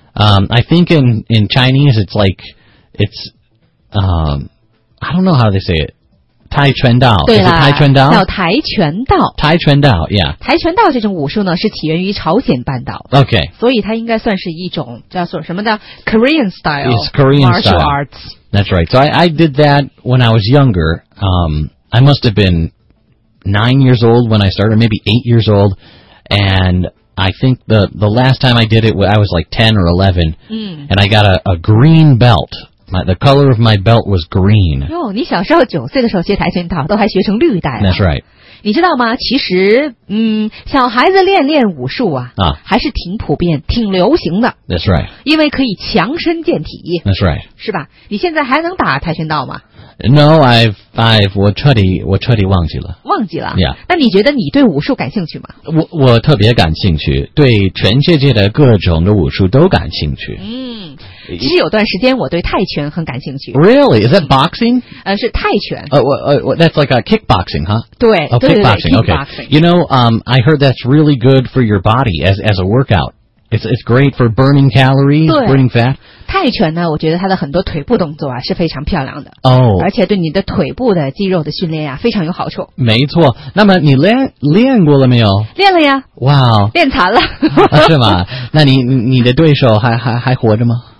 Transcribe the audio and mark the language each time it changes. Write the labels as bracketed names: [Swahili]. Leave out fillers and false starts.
[English] I think in Chinese, it's like, I don't know how they say it. [Chinese] 跆拳道，对啦，跆拳道叫跆拳道，跆拳道 ，yeah，跆拳道这种武术呢是起源于朝鲜半岛 [English] ，OK， [Chinese] 所以它应该算是一种叫做什么的 [English] Korean style， it's Korean martial style. arts， that's right， so I did that when I was younger， I must have been 9 years old when I started， maybe 8 years old， and I think the last time I did it I was like 10 or 11，and I got a green belt。 The color of my belt was green. [Chinese] 你小时候九岁的时候学跆拳道，都还学成绿带了。 [English] That's right. [Chinese] 你知道吗？其实，小孩子练武术啊，还是挺普遍、挺流行的。 [English] That's right. [Chinese] 因为可以强身健体。 [English] That's right. [Chinese] 是吧？你现在还能打跆拳道吗？ [English] No, I've [Chinese] 我彻底忘记了。忘记了。 [English] Yeah. [Chinese] 那你觉得你对武术感兴趣吗？我特别感兴趣，对全世界的各种的武术都感兴趣。其实有段时间我对泰拳很感兴趣。 [English] Really? Is that boxing? [Chinese] 是泰拳。 [English] That's like a kickboxing, huh? [Chinese] 对。 [English] Oh, kickboxing, okay. You know, I heard that's really good for your body as a workout. It's great for burning calories, burning fat. [Chinese] 泰拳呢，我觉得它的很多腿部动作啊是非常漂亮的。 [English] Oh. [Chinese] 而且对你的腿部的肌肉的训练啊非常有好处。没错。那么你练过了没有？练了呀。 [English] Wow. [Chinese] 练残了。是吗？那你的对手还活着吗？